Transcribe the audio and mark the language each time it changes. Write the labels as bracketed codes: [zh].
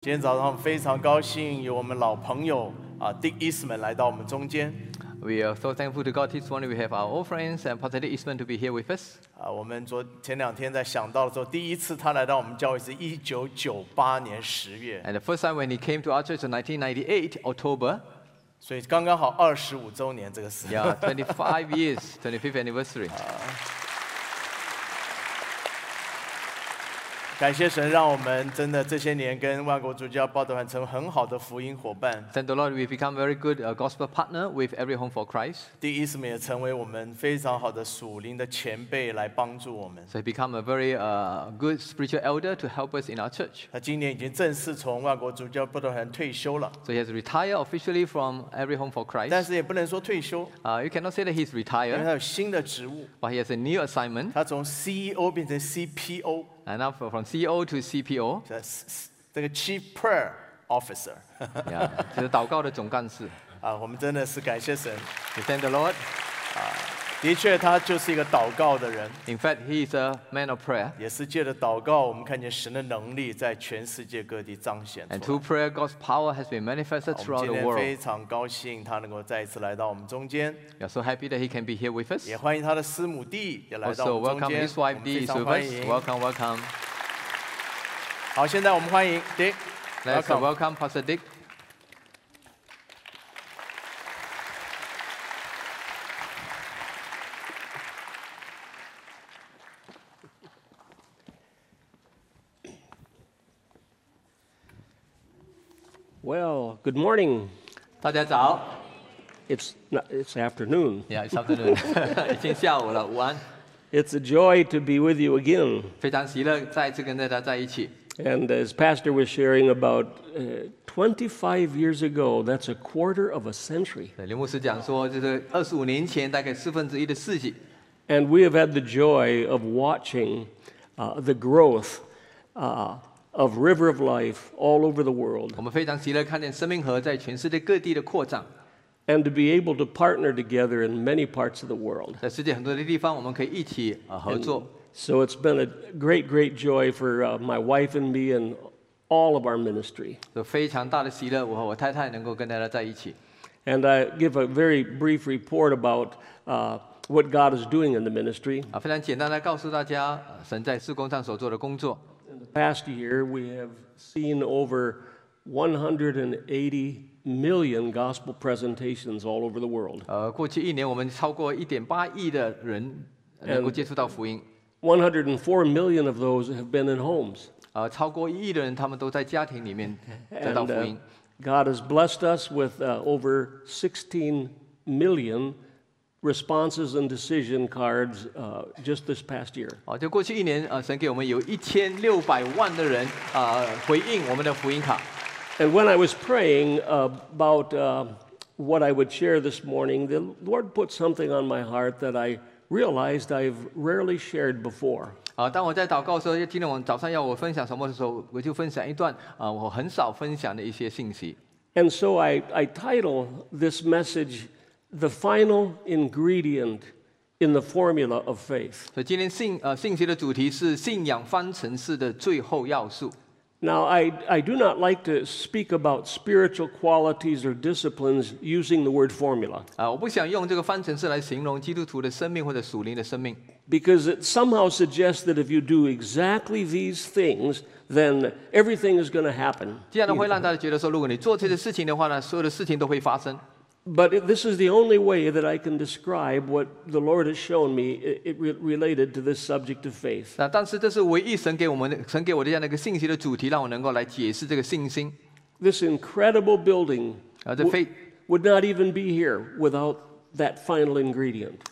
[zh] 今天早上非常高兴有我们老朋友Dick Eastman 来到我们中间。 [en] We are so thankful to God this morning. We have our old friends and Pastor Dick Eastman to be here with us. [zh] 我们昨前两天在想到的时候，第一次他来到我们教会是1998年10月。 [en] And the first time when he came to our church in 1998 October. [zh] 所以刚刚好25周年这个时刻。 [en] Yeah, 25 years, 25th anniversary. [zh] 感谢神，让我们真的这些年跟万国主教报道团成为很好的福音伙伴。 [en] Thank the Lord, we've become very good gospel partner with Every Home for Christ. [zh] Dick Eastman 也成为我们非常好的属灵的前辈来帮助我们。 [en] So he become a very good spiritual elder to help us in our church. [zh] 他今年已经正式从万国主教报道团退休了。 [en] So he has retired officially from Every Home for Christ. [zh] 但是也不能说退休。 [en] You cannot say that he's retired. [zh] 因为他有新的职务。 [en] But he has a new assignment. [zh] 他从 CEO 变成 CPO。 [en] And now from CEO to CPO, the Chief Prayer Officer. [zh] Yeah, 就是祷告的总干事。我们真的是感谢神。 [en] We thank the Lord. [zh] 的确，他就是一个祷告的人。 [en] In fact, he is a man of prayer. [zh] 也是借着祷告，我们看见神的能力在全世界各地彰显出来。 [en] And through prayer, God's power has been manifested throughout the world. [zh] 我们今天非常高兴他能够再一次来到我们中间。 [en] We are so happy that he can be here with us. [zh] 也欢迎他的师母弟也来到我们中间。 [en] Also welcome his wife Dee to us. Welcome, welcome. [zh] 好，现在我们欢迎 Dick. [en] Let's welcome Pastor Dick. Well, good morning. [zh] 大家早。 [en] It's afternoon. Yeah, it's afternoon. [zh] 已经下午了，午安。 [en] It's a joy to be with you again. [zh] 非常喜乐再次跟大家在一起。 [en] And as Pastor was sharing about 25 years ago, that's a quarter of a century. [zh] 林牧师讲说，就是25年前，大概四分之一的世纪。 [en] And we have had the joy of watching the growth. Of River of Life all over the world. [zh] 我们非常喜乐看见生命河在全世界各地的扩张。 [en] And to be able to partner together in many parts of the world. [zh] 在世界很多的地方，我们可以一起合作。 [en] So it's been a great, great joy for my wife and me and all of our ministry. [zh] 有非常大的喜乐，我和我太太能够跟大家在一起。 [en] And I give a very brief report about what God is doing in the ministry. [zh] 非常简单的告诉大家，神在事工上所做的工作。 [en] Past year, we have seen over 180 million gospel presentations all over the world. [zh] 过去一年，我们超过1.8亿的人能够接触到福音。 [en] 104 million of those have been in homes. [zh] 超过1亿的人，他们都在家庭里面得到福音。 [en] God has blessed us with over 16 million. Responses and decision cards just this past year. [zh] 就过去一年，神给我们有1600万的人回应我们的福音卡。 [en] And when I was praying about what I would share this morning, the Lord put something on my heart that I realized I've rarely shared before. [zh] 当我在祷告的时候，今天我早上要我分享什么的时候，我就分享一段我很少分享的一些信息。 [en] And so I title this message. The final ingredient in the formula of faith. [zh] So, 今天信息的主题是信仰方程式的最后要素。 [en] Now, I do not like to speak about spiritual qualities or disciplines using the word formula. [zh] 我不想用这个方程式来形容基督徒的生命或者属灵的生命。 [en] Because it somehow suggests that if you do exactly these things, then everything is going to happen. [zh] 这样会让大家觉得说，如果你做这些事情的话呢，所有的事情都会发生。 [en] But this is the only way that I can describe what the Lord has shown me related to this subject of faith. [zh] 但是这是唯一神给我的这样的一个信息的主题，让我能够来解释这个信心。 [en] This incredible building would not even be here without that final ingredient.